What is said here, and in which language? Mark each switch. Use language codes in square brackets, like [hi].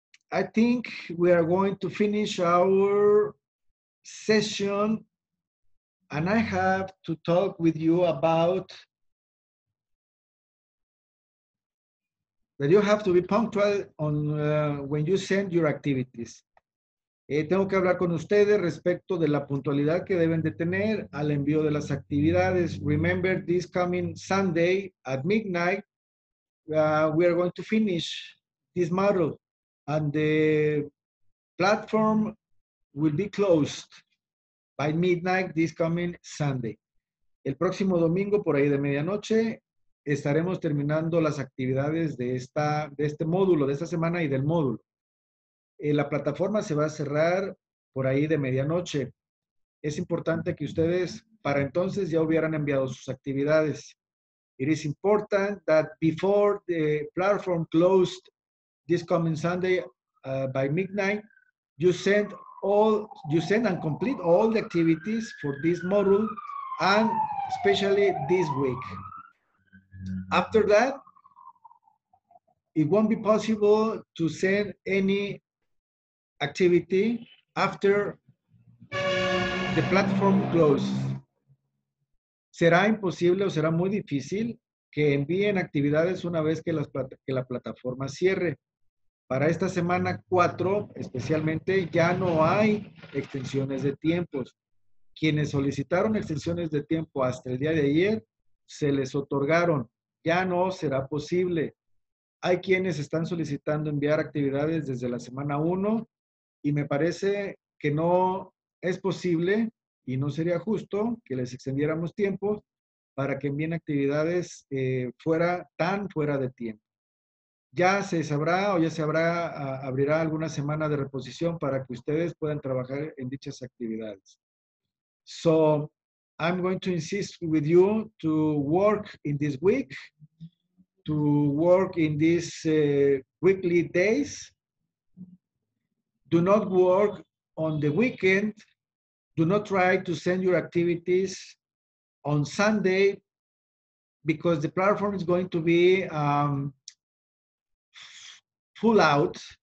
[en] I think we are going to finish our session. And I have to talk with you about... That you have to be punctual on when you send your activities. [es] Tengo que hablar con ustedes respecto de la puntualidad que deben de tener al envío de las actividades. [en] Remember, this coming Sunday at midnight, we are going to finish this model and the platform will be closed by midnight this coming Sunday. [es] El próximo domingo, por ahí de medianoche, estaremos terminando las actividades de este módulo, de esta semana y del módulo. La plataforma se va a cerrar por ahí de medianoche. Es importante que ustedes para entonces ya hubieran enviado sus actividades. [en] It is important that before the platform closed this coming Sunday by midnight, you send and complete all the activities for this module and especially this week. After that, it won't be possible to send any activity after the platform closes. [es] Será imposible o será muy difícil que envíen actividades una vez que la plataforma cierre. Para esta semana 4, especialmente, ya no hay extensiones de tiempos. Quienes solicitaron extensiones de tiempo hasta el día de ayer, se les otorgaron. Ya no será posible. Hay quienes están solicitando enviar actividades desde la semana 1 y me parece que no es posible y no sería justo que les extendiéramos tiempo para que envíen actividades fuera de tiempo. Ya se sabrá o ya se abrirá alguna semana de reposición para que ustedes puedan trabajar en dichas actividades. [en] So, I'm going to insist with you to work in this week, to work in these weekly days. Do not work on the weekend. Do not try to send your activities on Sunday because the platform is going to be full out.